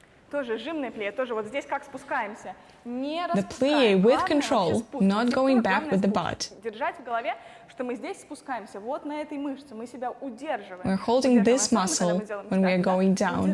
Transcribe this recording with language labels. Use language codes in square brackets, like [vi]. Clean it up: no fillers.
[ru] Тоже жимное плие, тоже вот здесь как спускаемся. Не распускаем. [en] The plie with control, not going back with the butt. [ru] Держать в голове, что мы здесь спускаемся, вот на этой мышце мы себя удерживаем. [en] We're holding this muscle when we are going down.